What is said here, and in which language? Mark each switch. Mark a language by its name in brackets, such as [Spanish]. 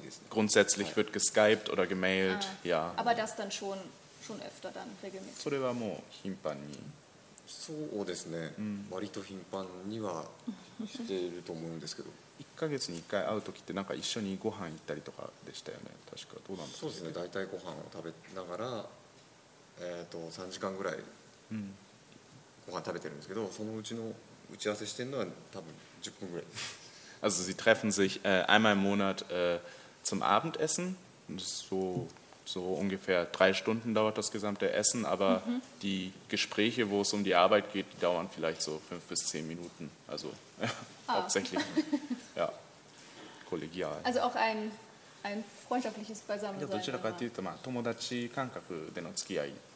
[German] Grundsätzlich wird geskypt oder gemailt, ja. Aber das dann schon öfter dann regelmäßig. [Japanese] それはもう頻繁に。そうですね。割と頻繁にはしてると思うんですけど。一ヶ月に一回会うときってなんか一緒にご飯行ったりとかでしたよね。確かどうなんですか。そうですね。大体ご飯を食べながら三時間ぐらいご飯食べてるんですけど、そのうちの打ち合わせしてるのは多分十分ぐらい。 [German] Also sie treffen sich einmal im Monat zum Abendessen. So ungefähr 3 Stunden dauert das gesamte Essen, aber die Gespräche, wo es um die Arbeit geht, die dauern vielleicht so 5 bis 10 Minuten. Also hauptsächlich ja, kollegial. Also auch ein freundschaftliches Beisammensein. [Japanese] Ja, どちらかというと、まあ、友達感覚での付き合い。